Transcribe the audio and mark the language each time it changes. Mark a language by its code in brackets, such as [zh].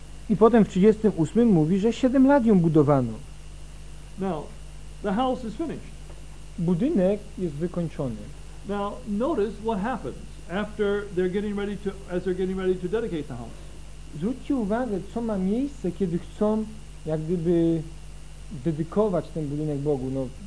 [pl] I potem w 38 mówi, że 7 lat ją budowano. [en] Now, the house is finished. [pl] Budynek jest wykończony. [en] Now, notice what happens. As they're getting ready to dedicate the house. [pl] Zwróćcie uwagę, co ma miejsce, kiedy chcą jak gdyby dedykować ten budynek Bogu, no.